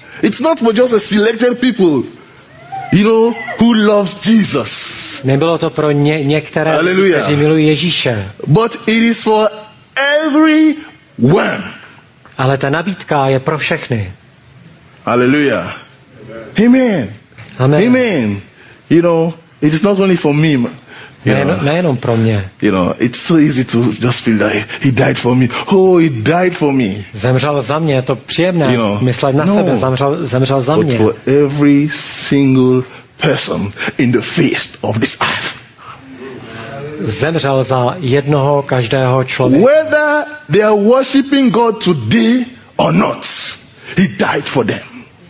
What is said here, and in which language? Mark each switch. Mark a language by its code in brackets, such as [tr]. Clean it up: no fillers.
[en] It's not for just a selected people. You know who loves Jesus. [cs] Nebylo to pro některé, kteří milují Ježíše. [en] But it is for everyone. [cs] Ale ta nabídka je pro všechny. Hallelujah. Amen. Amen. Amen. [en] You know, it is not only for me. [cs] Nejenom pro mě. [en] You know, it's so easy to just feel that he died for me. Oh, he died for me. [cs] Zemřel za mě, je to příjemné, [en] you know, [cs] myslet na no, sebe, zemřel za mě. [en] For every single person in the face of this earth. [cs] Zemřel za jednoho každého člověka. [en] Whether they are worshiping God today or not, he died for them.